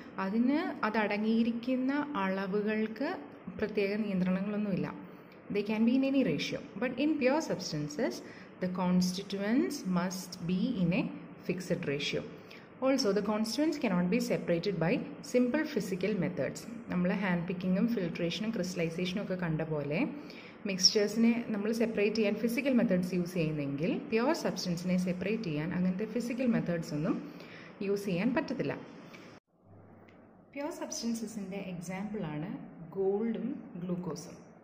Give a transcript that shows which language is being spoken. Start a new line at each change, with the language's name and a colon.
Malayalam: അതിന് അതടങ്ങിയിരിക്കുന്ന അളവുകൾക്ക് പ്രത്യേക നിയന്ത്രണങ്ങളൊന്നുമില്ല.
English: They can be in any ratio. But in pure substances, the constituents must be in a fixed ratio. Also, the constituents cannot be separated by simple physical methods.
Malayalam: നമ്മളെ hand പിക്കിങ്ങും ഫിൽട്രേഷനും ക്രിസ്റ്റലൈസേഷനും ഒക്കെ കണ്ട പോലെ മിക്സ്ചേഴ്സിനെ നമ്മൾ separate ചെയ്യാൻ physical methods use ചെയ്യുന്നെങ്കിൽ pure സബ്സ്റ്റൻസിനെ separate ചെയ്യാൻ അങ്ങനത്തെ physical methods ഒന്നും യൂസ് ചെയ്യാൻ പറ്റത്തില്ല. പ്യുവർ സബ്സ്റ്റൻസസിൻ്റെ എക്സാമ്പിളാണ് ഗോൾഡും ഗ്ലൂക്കോസും.